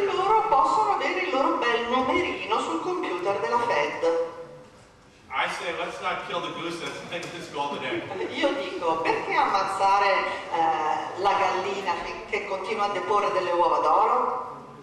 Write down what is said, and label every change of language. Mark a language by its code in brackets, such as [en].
[it] E loro possono avere il loro bel numerino sul computer della Fed. [en] I say, let's not kill the goose that's in this golden egg. [it] Io dico, perché ammazzare la gallina che continua a deporre delle uova d'oro?